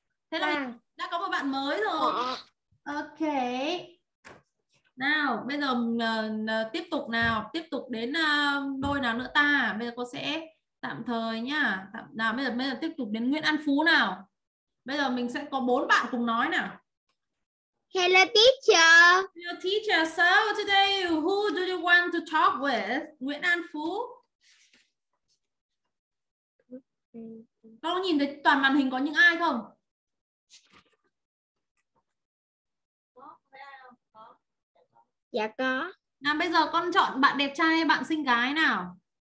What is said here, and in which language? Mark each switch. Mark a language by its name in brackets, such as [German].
[Vietnamese] Thế là đã có một bạn mới rồi. Ok. Nào, bây giờ tiếp tục nào. Tiếp tục đến đôi nào nữa ta. Bây giờ cô sẽ tạm thời nhá. Nào, bây giờ tiếp tục đến Nguyễn An Phú nào. Bây giờ mình sẽ có bốn bạn cùng nói nào. [English] Hello teacher. Hello teacher. So today, who do you want to talk with? [Vietnamese] Nguyễn An Phú. Con có nhìn thấy toàn màn hình có những ai không? Dạ có. Nào bây giờ con chọn bạn đẹp trai hay bạn xinh gái nào?